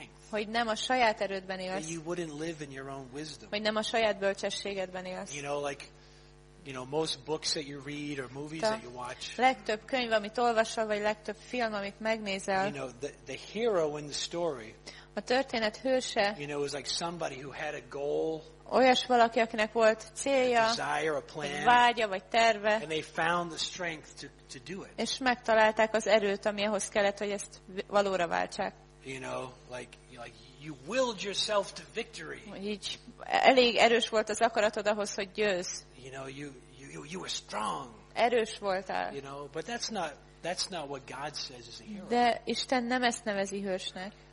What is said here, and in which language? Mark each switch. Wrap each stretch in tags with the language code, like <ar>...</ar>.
<hu>Hogy nem a saját erődben élsz.</hu> <en>You wouldn't live in your own wisdom.</en> <hu>Hogy nem a saját bölcsességedben élsz.</hu> <en>You know, like, you know, most books that you read or movies that you watch.</en> <hu>Legtöbb könyv, amit olvasol, vagy legtöbb film, amit megnézel.</hu> <en>You know, the hero in the story.</en> <hu>A történet hőse.</hu> <en>You know, is like somebody who had a goal.</en> <hu>Olyas valaki, akinek volt célja,</hu> <en>plan,</en> <hu>vágya vagy terve,</hu> <en>and they found the strength to do it.</en> <hu>És megtalálták az erőt, ami ahhoz kellett, hogy ezt valóra váltsák.</hu> <en>You know, like you willed yourself to victory.</en> <hu>Így elég erős volt az akaratod ahhoz, hogy győzz.</hu> <en>You know, you were strong.</en> <hu>Erős voltál.</hu> <en>You know, but that's not what God says is a hero.</en> <hu>De Isten nem ezt nevezi hősnek.</hu>